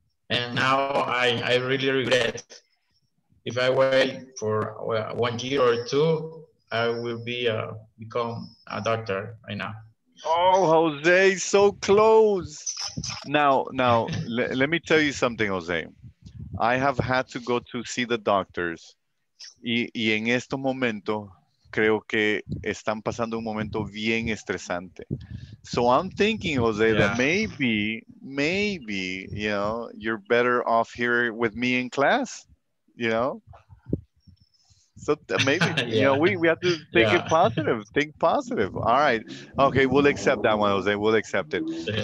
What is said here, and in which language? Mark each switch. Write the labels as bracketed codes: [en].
[en] And now I really regret. If I wait for 1 year or two, I will be become a doctor right now. Oh, Jose, so close. Now, let me tell you something, Jose. I have had to go to see the doctors. [es] Y en estos momentos, creo que están pasando un momento bien estresante. [en] So I'm thinking, Jose, that maybe, you know, you're better off here with me in class, you know? So maybe, you know, we have to think it positive, think positive. All right. Okay, we'll accept that one, Jose. We'll accept it. Yeah.